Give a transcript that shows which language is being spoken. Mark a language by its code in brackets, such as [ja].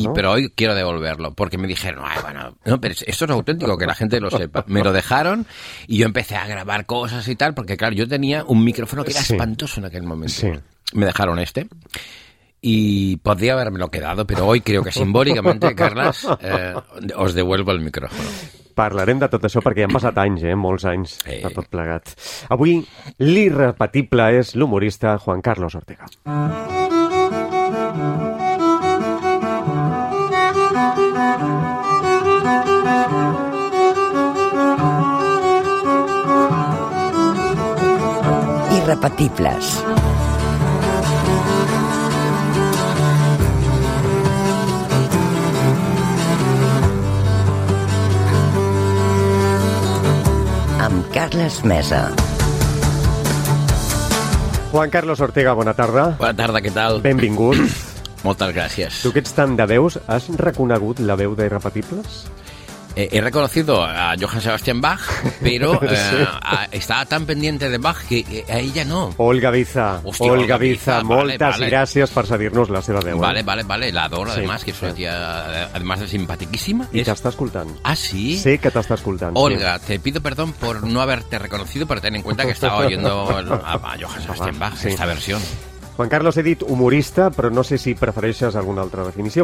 [es] Y, pero hoy quiero devolverlo, porque me dijeron, ay, bueno, no, pero esto es auténtico, que la gente lo sepa. Me lo dejaron y yo empecé a grabar cosas y tal, porque claro, yo tenía un micrófono que era espantoso en aquel momento. Sí. Me dejaron este. Y podría habérmelo quedado, pero hoy creo que simbólicamente, Carles, os devuelvo el micrófono. [ca] Parlarem de tot això perquè hi han passat anys, molts anys, de tot plegat. Avui, l'irrepetible és l'humorista Juan Carlos Ortega. Irrepetibles. Carles Mesa. Juan Carlos Ortega, bona tarda. Bona tarda, què tal? Benvingut. Moltes gràcies. Tu que ets tan de veus, has reconegut la veu d'Irrepetibles? [es] He reconocido a Johann Sebastian Bach, pero estaba tan pendiente de Bach que a ella no. [ca] Olga Viza. Hostia, Olga Viza, moltes gràcies per cedir-nos la seva veu. Vale, l'adoro, sí, además, que és una tia, además de simpatiquíssima. I t'està escoltant. Ah, sí? Sé que t'està escoltant. Olga, sí. [es] Te pido perdón por no haberte reconocido, pero ten en cuenta que estaba oyendo a Johann Sebastian Bach, sí. Esta versión. [ca] Juan Carlos, he dit humorista, però no sé si prefereixes alguna altra definició.